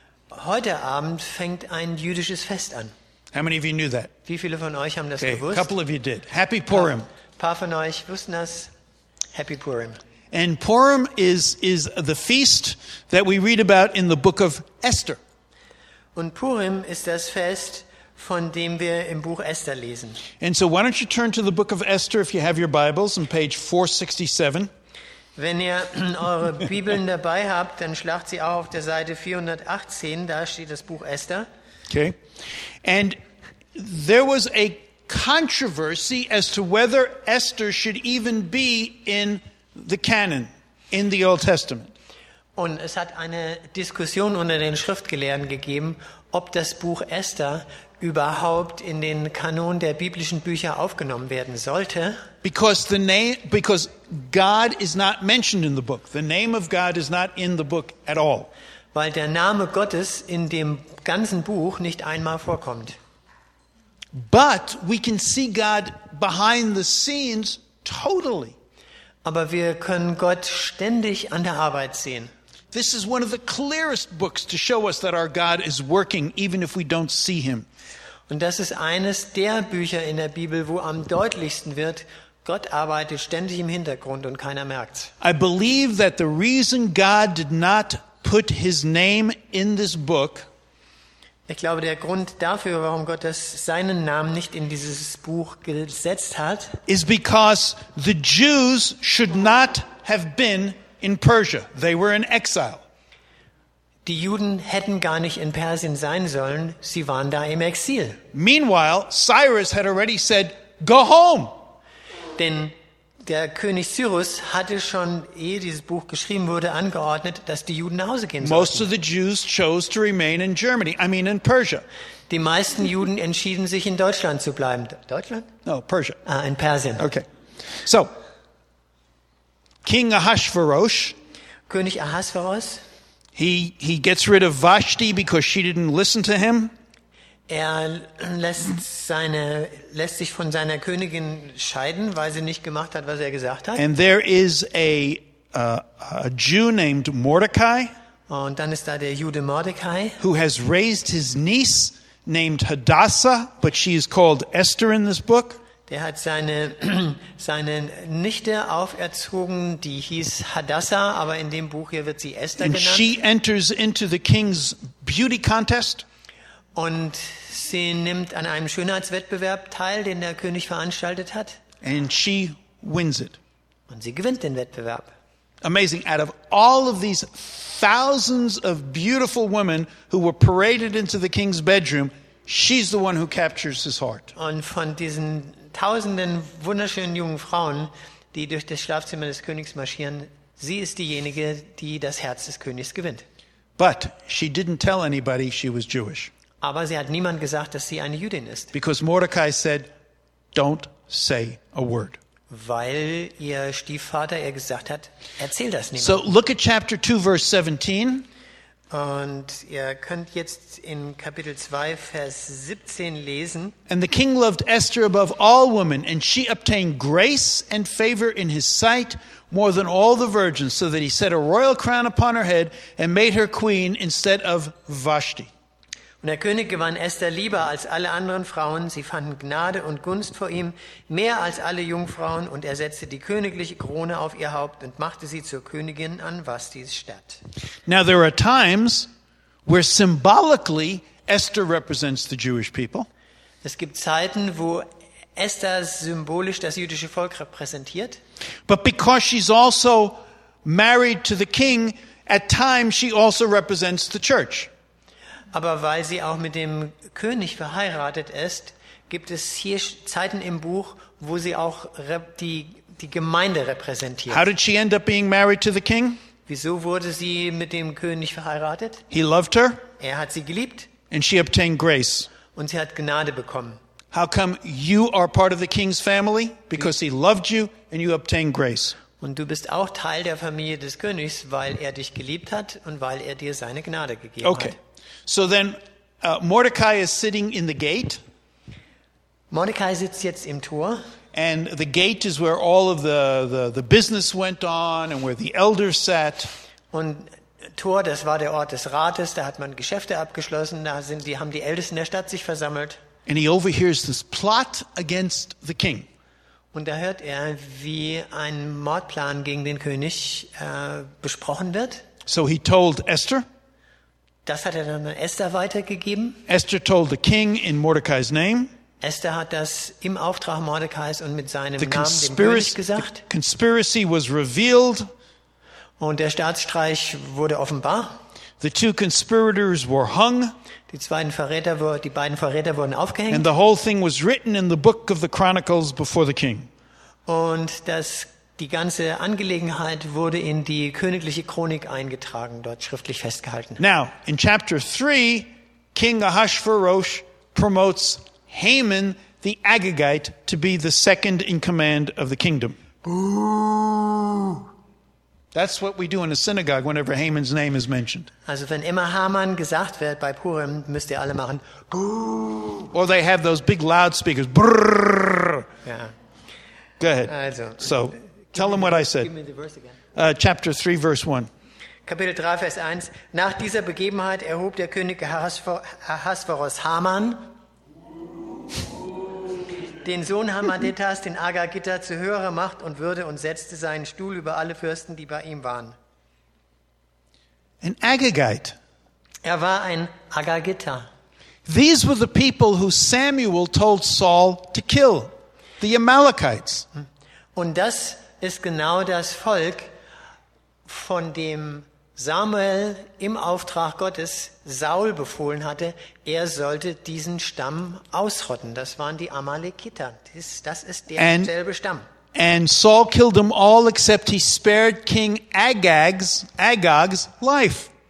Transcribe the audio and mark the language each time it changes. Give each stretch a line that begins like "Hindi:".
German: Heute Abend fängt ein jüdisches Fest an.
English: How many of you knew that?
German: Wie viele von euch haben das gewusst?
English: A couple of you did. Happy Purim.
German: Ein paar von euch wussten das.
English: Happy Purim. And Purim is the feast that we read about in the book of Esther.
German: Und Purim ist das Fest, von dem wir im Buch Esther lesen.
English: And so why don't you turn to the book of Esther if you have your Bibles on page 467.
German: Wenn ihr eure Bibeln dabei habt, dann schlagt sie auch auf der Seite 418, da steht das Buch Esther.
English: Okay. And there was a controversy as to whether Esther should even be in the canon, in the Old Testament.
German: Und es hat eine Diskussion unter den Schriftgelehrten gegeben, ob das Buch Esther überhaupt in den Kanon der biblischen Bücher aufgenommen werden sollte.
English: Because God is not mentioned in the book. The name of God is not in the book at all.
German: Weil der Name Gottes in dem ganzen Buch nicht einmal vorkommt.
English: But we can see God behind the scenes totally.
German: Aber wir können Gott ständig an der Arbeit sehen.
English: This is one of the clearest books to show us that our God is working even if we don't see him.
German: Und das ist eines der Bücher in der Bibel, wo am deutlichsten wird, Gott arbeitet ständig im Hintergrund und keiner merkt's.
English: I believe that the reason God did not put his name in this book
German: Ich glaube, der Grund dafür, warum Gott das seinen Namen nicht in dieses Buch gesetzt hat,
English: is because the Jews should not have been in Persia. They were in exile.
German: Die Juden hätten gar nicht in Persien sein sollen, sie waren da im Exil.
English: Meanwhile, Cyrus had already said, go home.
German: Denn der König Cyrus hatte schon, ehe dieses Buch geschrieben wurde, angeordnet, dass die Juden nach Hause gehen sollten.
English: Most of the Jews chose to remain in Germany, I mean in Persia.
German: Die meisten Juden entschieden sich, in Deutschland zu bleiben. Deutschland?
English: No, Persia.
German: Ah, in Persien.
English: Okay. So, King Ahasuerus.
German: König Ahasuerus.
English: He gets rid of Vashti because she didn't listen to him.
German: Er lässt sich von seiner Königin scheiden, weil sie nicht gemacht hat, was er gesagt hat.
English: And there is a Jew named Mordecai.
German: Und dann ist da der Jude Mordecai.
English: Who has raised his niece named Hadassah, but she is called Esther in this book.
German: Der hat seine Nichte auferzogen, die hieß Hadassah, aber in dem Buch hier wird sie Esther genannt.
English: And she enters into the king's beauty contest.
German: Und sie nimmt an einem Schönheitswettbewerb teil, den der König veranstaltet hat.
English: And she wins it.
German: Und sie gewinnt den Wettbewerb.
English: Amazing. Out of all of these thousands of beautiful women who were paraded into the king's bedroom, she's the one who captures his heart.
German: Und von diesen tausenden wunderschönen jungen Frauen, die durch das Schlafzimmer des Königs marschieren, sie ist diejenige, die das Herz des Königs gewinnt.
English: But she didn't tell anybody she was Jewish.
German: Aber sie hat niemand gesagt, dass sie eine Jüdin ist.
English: Because Mordecai said, don't say a word.
German: Weil ihr Stiefvater ihr gesagt hat, erzähl das niemandem.
English: So look at chapter 2 verse 17.
German: Und ihr könnt jetzt in Kapitel 2 Vers 17 lesen.
English: And the king loved Esther above all women, and she obtained grace and favor in his sight more than all the virgins, so that he set a royal crown upon her head and made her queen instead of Vashti.
German: Und der König gewann Esther lieber als alle anderen Frauen. Sie fanden Gnade und Gunst vor ihm, mehr als alle Jungfrauen. Und er setzte die königliche Krone auf ihr Haupt und machte sie zur Königin an Vashtis Stadt.
English: Now there are times where symbolically Esther represents the Jewish people.
German: Es gibt Zeiten, wo Esther symbolisch das jüdische Volk repräsentiert.
English: But because she's also married to the king, at times she also represents the church.
German: Aber weil sie auch mit dem König verheiratet ist, gibt es hier Zeiten im Buch, wo sie auch die Gemeinde repräsentiert.
English: How did she end up being married to the king?
German: Wieso wurde sie mit dem König verheiratet?
English: He loved her.
German: Er hat sie geliebt.
English: And she obtained grace.
German: Und sie hat Gnade bekommen.
English: How come you are part of the king's family? Because he loved you and you obtained grace.
German: Und du bist auch Teil der Familie des Königs, weil er dich geliebt hat und weil er dir seine Gnade gegeben
English: okay.
German: hat.
English: So then Mordecai is sitting in the gate.
German: Mordecai sitzt jetzt im Tor.
English: And the gate is where all of the business went on and where the elders sat.
German: Und Tor, das war der Ort des Rates, da hat man Geschäfte abgeschlossen, haben die Ältesten der Stadt sich versammelt.
English: And he overhears this plot against the king.
German: Und da hört er, wie ein Mordplan gegen den König besprochen wird.
English: So he told Esther.
German: Das hat er dann an Esther weitergegeben.
English: Esther told the king in Mordecai's name.
German: Esther hat das im Auftrag Mordecais und mit seinem Namen dem König gesagt.
English: The conspiracy was revealed.
German: Und der Staatsstreich wurde offenbar.
English: The two conspirators were hung.
German: Die beiden Verräter wurden aufgehängt.
English: And the whole thing was written in the book of the Chronicles before the king.
German: Und die ganze Angelegenheit wurde in die königliche Chronik eingetragen, dort schriftlich festgehalten.
English: Now, in chapter 3, King Ahasuerus promotes Haman the Agagite to be the second in command of the kingdom. That's what we do in a synagogue whenever Haman's name is mentioned.
German: Also wenn immer Haman gesagt wird bei Purim, müsst ihr alle machen.
English: Or they have those big loudspeakers. Brrr. Yeah. Go ahead.
German: Also,
English: so, tell them what I said. Chapter 3, verse 1.
German: Kapitel 3, Vers 1. Nach dieser Begebenheit erhob der König Ahasuerus Haman, den Sohn Hamadetas, den Agagiter, zu höherer Macht und Würde und setzte seinen Stuhl über alle Fürsten, die bei ihm waren. Ein Agagite. Er war ein Agagiter.
English: These were the people who Samuel told Saul to kill, the Amalekites.
German: Und das ist genau das Volk, von dem Samuel im Auftrag Gottes Saul befohlen hatte, er sollte diesen Stamm ausrotten. Das waren die Amalekiter. Das ist derselbe Stamm.
English: And Saul killed them all except he spared King Agag's life.